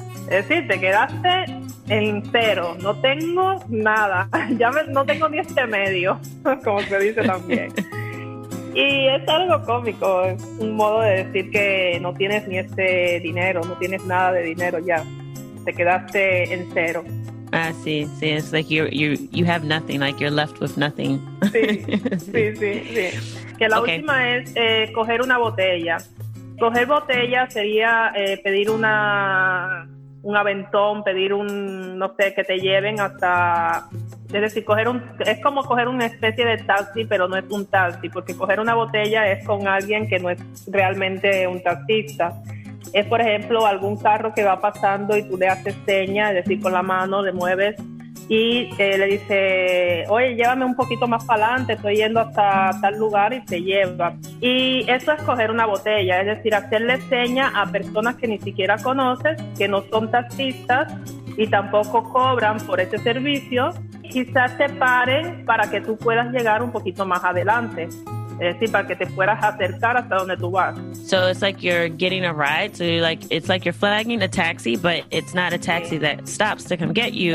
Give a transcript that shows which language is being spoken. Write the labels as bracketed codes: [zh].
[es] Es decir, te quedaste en cero, no tengo nada, no tengo ni este medio, como se dice también. Y es algo cómico, es un modo de decir que no tienes ni este dinero, no tienes nada de dinero ya, te quedaste en cero. Ah, sí, sí, [en] it's like you have nothing, like you're left with nothing. [es] Sí, sí, sí, sí. Que la [en] okay. [es] Última es coger una botella. Coger botella sería pedir un aventón, pedir un, no sé, que te lleven hasta... Es decir, es como coger una especie de taxi, pero no es un taxi, porque coger una botella es con alguien que no es realmente un taxista. Es, por ejemplo, algún carro que va pasando y tú le haces seña, es decir, con la mano le mueves y le dice, oye, llévame un poquito más para adelante, estoy yendo hasta tal lugar, y te lleva. Y eso es coger una botella, es decir, hacerle seña a personas que ni siquiera conoces, que no son taxistas y tampoco cobran por ese servicio. Quizás te paren para que tú puedas llegar un poquito más adelante, es decir, para que te puedas acercar hasta donde tú vas. [en] So it's like you're getting a ride, so you're like, it's like you're flagging a taxi, but it's not a taxi, [es] sí. [en] That stops to come get you.